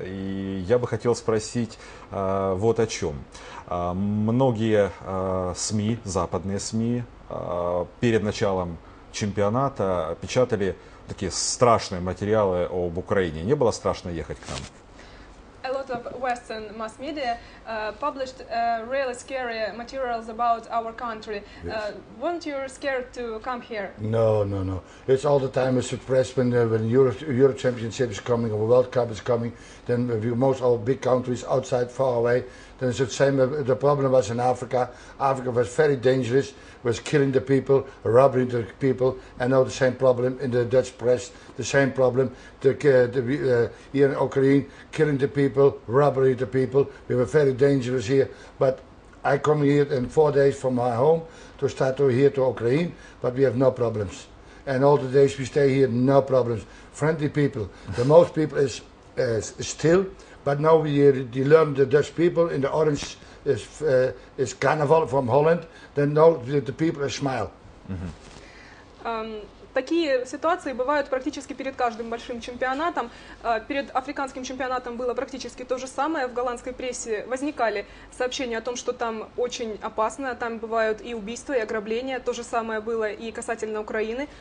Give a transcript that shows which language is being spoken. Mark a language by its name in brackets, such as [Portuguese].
[Russian] И я бы хотел спросить вот о чем. Многие СМИ, западные СМИ, перед началом чемпионата печатали такие страшные материалы об Украине. Не было страшно ехать к нам? [English] A lot of Western mass media published really scary materials about our country. Yes. Weren't you scared to come here? No. It's all the time a surprise when Euro Championship is coming or World Cup is coming. Then we most all big countries outside, far away. Then it's the same. The problem was in Africa. Africa was very dangerous. Was killing the people, robbing the people, and now the same problem in the Dutch press. The same problem here in Ukraine, killing the people, robbing the people. We were very dangerous here. But I come here in 4 days from my home to start to here to Ukraine. But we have no problems. And all the days we stay here, no problems. Friendly people. The most people is still. But now we learn the Dutch people in the orange is carnival from Holland. Then now the people smile. Mm-hmm. [Russian] Такие ситуации бывают практически перед каждым большим чемпионатом. Перед африканским чемпионатом было практически то же самое. В голландской прессе возникали сообщения о том, что там очень опасно. Там бывают и убийства, и ограбления. То же самое было и касательно Украины.